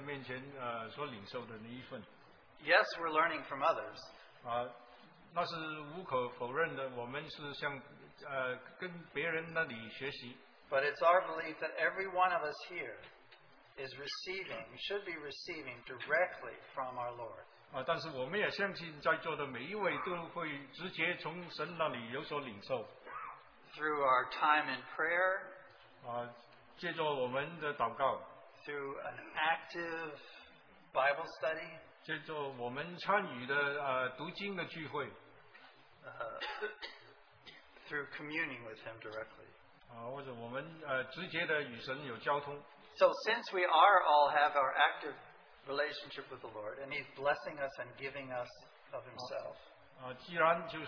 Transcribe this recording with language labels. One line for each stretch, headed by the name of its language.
Chinese: 另外一个原因，我们有这一个交通的聚会，是我们相信，就是每一个弟兄姊妹都会有他自己在神的面前所领受的那一份。
English: Yes, we're learning from others.
Chinese: 那是无可否认的，我们是向跟别人那里学习。
English: But it's our belief that every one of us here is receiving, should be receiving directly from our Lord.
Chinese: 但是我们也相信在座的每一位都会直接从神那里有所领受。
English: Through our time in prayer.
Chinese: 借助我们的祷告。
English: Through an active Bible study.
Chinese: 借助我们参与的读经的聚会。
English: Through communing with Him directly.
Chinese: 或者我们直接的与神有交通。
English: So since we are all have our active relationship with the Lord, and He's blessing us and giving us of Himself.